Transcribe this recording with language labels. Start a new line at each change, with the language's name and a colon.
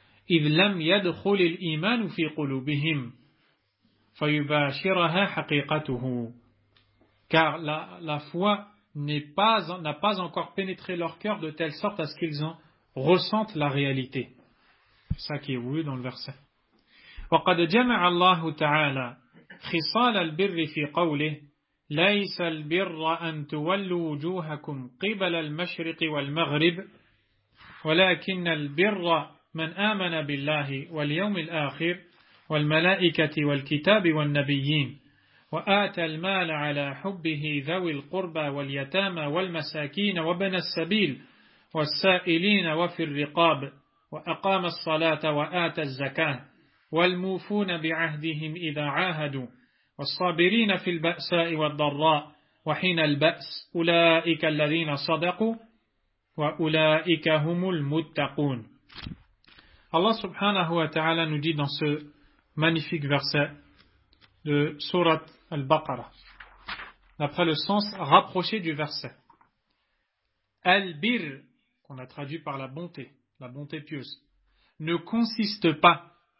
Arabic: إِذْ لَمْ يَدْخُلِ الْإِيمَانُ فِي قُلُوبِهِمْ فَيُبَاشِرَهَا حَقِيقَتُهُ.
French: Car la foi n'a pas encore pénétré leur cœur de telle sorte à ce qu'ils en ressentent la réalité. C'est ça qui est voulu dans le verset.
Arabic: وَقَدْ جَمَعَ اللَّهُ تَعَالَى خِصَالَ الْبِرِّ فِي قَوْلِهِ لَيْسَ الْبِرَّ أَن تُوَلُّوا وُجُوهَكُمْ قِبَلَ الْمَشْرِقِ وَالْمَغْرِبِ ولكن البر من آمن بالله واليوم الآخر والملائكة والكتاب والنبيين وآتى المال على حبه ذوي القربى واليتامى والمساكين وابن السبيل والسائلين وفي الرقاب وأقام الصلاة وآتى الزكاة والموفون بعهدهم إذا عاهدوا والصابرين في البأساء والضراء وحين البأس أولئك الذين صدقوا وَأُولَٰئِكَ هُمُ الْمُتَّقُونَ.
French: Allah subhanahu wa ta'ala nous dit dans ce magnifique verset de Surat al-Baqarah, d'après le sens rapproché du verset, Al-Bir, qu'on a traduit par la bonté pieuse, ne consiste pas